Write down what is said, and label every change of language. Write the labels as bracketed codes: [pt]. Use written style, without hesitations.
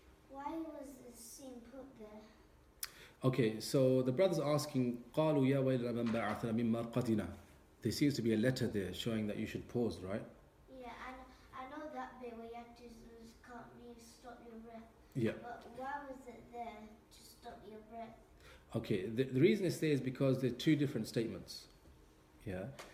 [en] Why was this scene put there? Okay, so the brothers are asking, [ar] قَالُوا يَا وَيْلَنَا مَنْ بَعَثَنَا مِنْ مَرْقَدِنَا. [en] There seems to be a letter there showing that you should pause, right? Yeah, and I know that bit where you have to stop your breath. Yeah. But why was it there to stop your breath? Okay, the reason it's there is because there are two different statements. Yeah.